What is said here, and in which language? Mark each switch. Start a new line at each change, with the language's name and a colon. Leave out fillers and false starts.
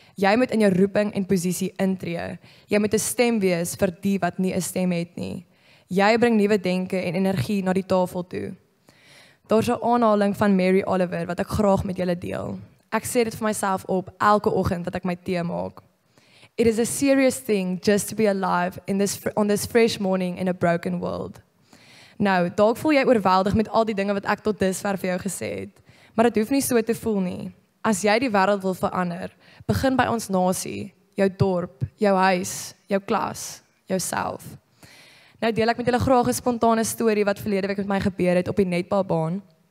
Afrikaans: Jy moet in jou roeping en posisie intree. Jy moet 'n stem wees vir die wat nie 'n stem het nie. Jy bring nuwe denke en energie na die tafel toe. Daar's 'n aanhaling van Mary Oliver wat ek graag met julle deel. Ek sê dit vir myself op elke oggend wat ek my tee maak.
English: It is a serious thing just to be alive in this on this fresh morning in a broken world.
Afrikaans: Nou, dalk voel jy oorweldig met al die dinge wat ek tot dusver vir jou gesê het, maar dit hoef nie so te voel nie. As jy die wêreld wil verander, begin by ons nasie, jou dorp, jou huis, jou klas, jouself. Nou deel ek met julle graag 'n spontane storie wat verlede week met my gebeur het op die netbalbaan.